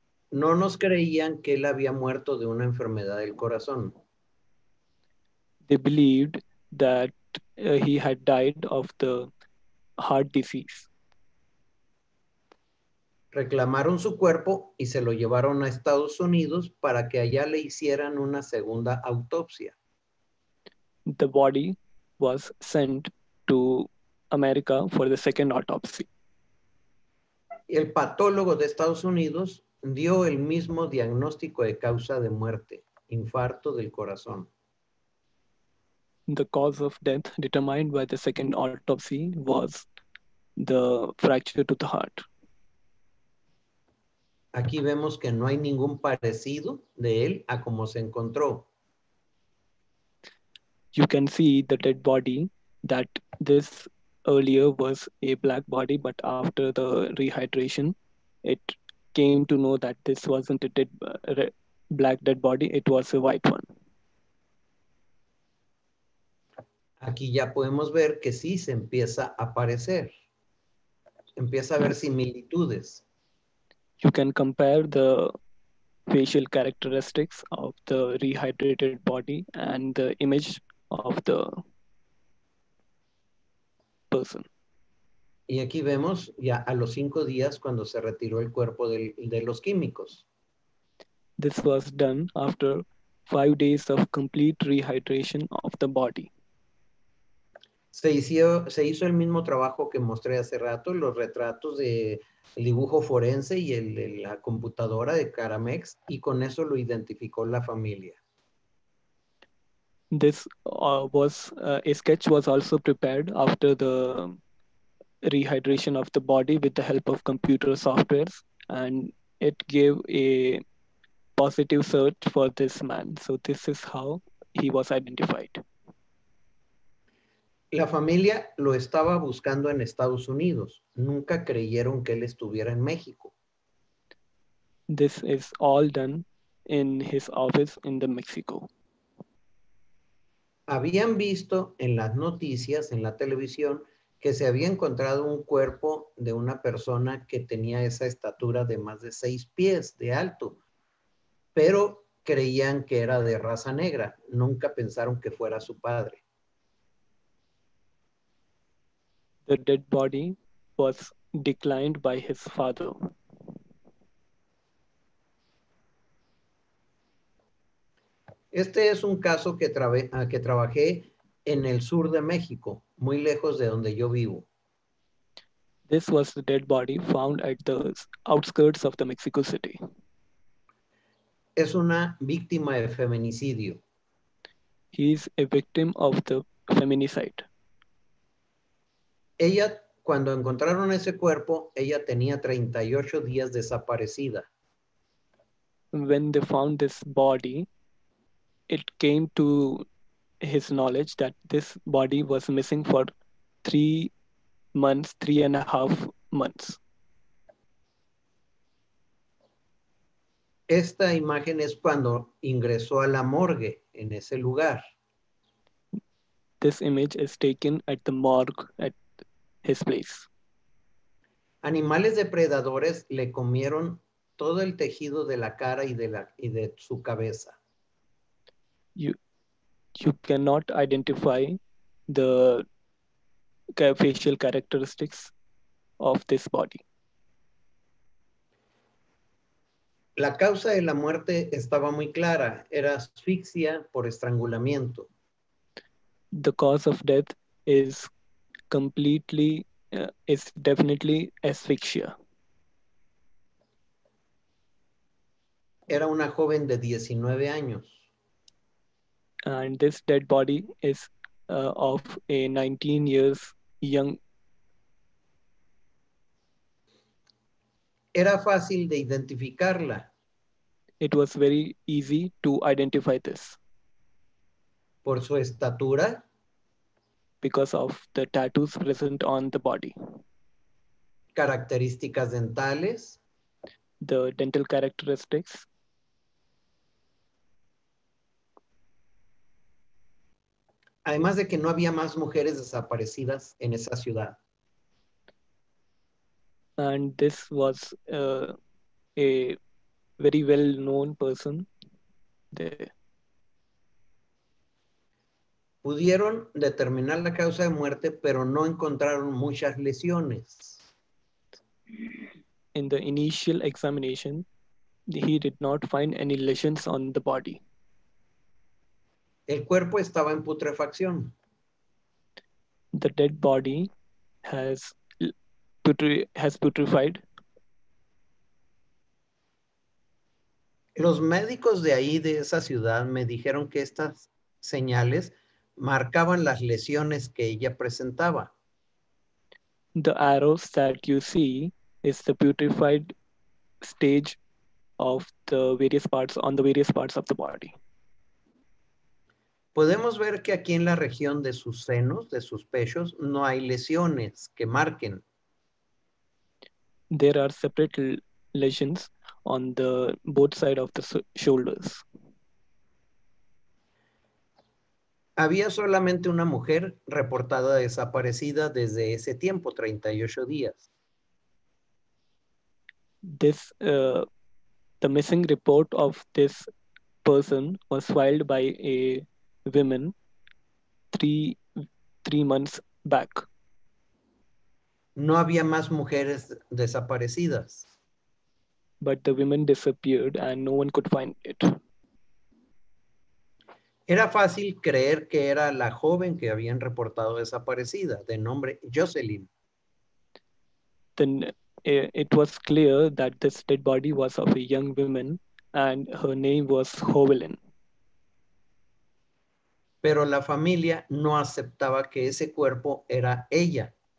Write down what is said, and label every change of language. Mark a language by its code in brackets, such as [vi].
[es] No nos creían que él había muerto de una enfermedad del corazón. [en] They believed that he had died of the heart disease. [es] Reclamaron su cuerpo y se lo llevaron a Estados Unidos para que allá le hicieran una segunda autopsia. [en] The body was sent to America for the second autopsy. [es] El patólogo de Estados Unidos dio el mismo diagnóstico de causa de muerte, infarto del corazón. [en] The cause of death determined by the second autopsy was the fracture to the heart. [es] Aquí vemos que no hay ningún parecido de él a como se encontró. [en] You can see the dead body, that this earlier was a black body, but after the rehydration, it came to know that this wasn't a dead, black dead body, it was a white one. [es] Aquí ya podemos ver que sí se empieza a aparecer. Empieza a ver similitudes. [en] You can compare the facial characteristics of the rehydrated body and the image of the person. [es] Y aquí vemos ya a los 5 días cuando se retiró el cuerpo de los químicos. [en] This was done after 5 days of complete rehydration of the body. [es] Se hizo el mismo trabajo que mostré hace rato, los retratos de el dibujo forense y el de la computadora de Caramex, y con eso lo identificó la familia. [en] This was a sketch was also prepared after the rehydration of the body with the help of computer softwares, and it gave a positive search for this man. So this is how he was identified. [es] La familia lo estaba buscando en Estados Unidos. Nunca creyeron que él estuviera en México. [en] This is all done in his office in the Mexico. [es] Habían visto en las noticias, en la televisión, que se había encontrado un cuerpo de una persona que tenía esa estatura de más de 6 pies de alto, pero creían que era de raza negra. Nunca pensaron que fuera su padre. [en] The dead body was declined by his father. [es] Este es un caso que trabajé en el sur de México, muy lejos de donde yo vivo. [en] This was the dead body found at the outskirts of the Mexico City. [es] Es una víctima de feminicidio. [en] He is a victim of the feminicide. [es] Ella, cuando encontraron ese cuerpo, ella tenía 38 días desaparecida. [en] When they found this body, it came to his knowledge that this body was missing for 3 months, 3.5 months. [es] Esta imagen es cuando ingresó a la morgue en ese lugar. [en] This image is taken at the morgue at his place. [es] Animales depredadores le comieron todo el tejido de la cara y de su cabeza. [en] You cannot identify the facial characteristics of this body. [es] La causa de la muerte estaba muy clara. Era asfixia por estrangulamiento. [en] The cause of death is definitely asphyxia. [es] Era una joven de 19 años. [en] And this dead body is of a 19 years young. [es] Era fácil de identificarla. [en] It was very easy to identify this. [es] Por su estatura. [en] Because of the tattoos present on the body. [es] Características dentales. [en] The dental characteristics. [es] Además de que no había más mujeres desaparecidas en esa ciudad. [en] And this was a very well known person there. [es] Pudieron determinar la causa de muerte, pero no encontraron muchas lesiones. [en] In the initial examination, he did not find any lesions on the body. [es] El cuerpo estaba en putrefacción. [en] The dead body has putrefied. [es] Los médicos de ahí, de esa ciudad, me dijeron que estas señales marcaban las lesiones que ella presentaba. [en] The arrows that you see is the putrefied stage of the various parts, on the various parts of the body. [es] Podemos ver que aquí en la región de sus senos, de sus pechos, no hay lesiones que marquen. [en] There are separate lesions on the both side of the shoulders. [es] Había solamente una mujer reportada desaparecida desde ese tiempo, 38 días. [en] The missing report of this person was filed by a women three months back. [es] No había más mujeres desaparecidas. [en] But the women disappeared and no one could find it. [es] Era fácil creer que era la joven que habían reportado desaparecida, de nombre Jocelyn. [en] Then it was clear that this dead body was of a young woman and her name was Jocelyn. [es] Pero la familia no aceptaba que ese cuerpo era ella.